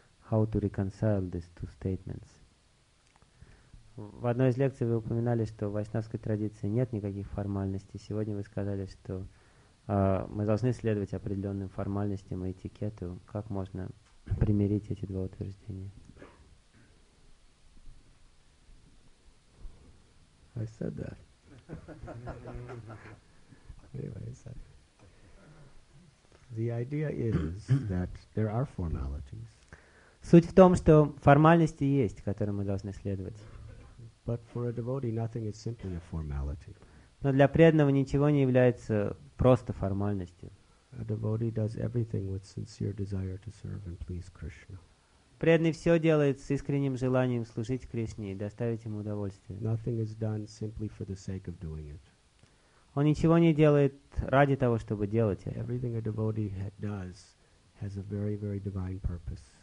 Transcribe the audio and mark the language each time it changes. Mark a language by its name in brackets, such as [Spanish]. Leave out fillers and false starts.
[English] How to reconcile these two statements? [Russian] В одной из лекций вы упоминали, что в вайшнавской традиции нет никаких формальностей. Сегодня вы сказали, что мы должны следовать определенным формальностям и этикету. Как можно примирить эти два утверждения? [English] I said that. Anyways, the idea is that there are formalities. [Russian] Суть в том, что формальности есть, которым мы должны следовать. [English] But for a devotee, nothing is simply a formality. [Russian] Но для преданного ничего не является просто формальностью. [English] A devotee does everything with sincere desire to serve and please Krishna. [Russian] Преданный все делает с искренним желанием служить Кришне и доставить ему удовольствие. [English] Nothing is done simply for the sake of doing it. [Russian] Он ничего не делает ради того, чтобы делать это. [English] Everything a devotee does has a very, very divine purpose.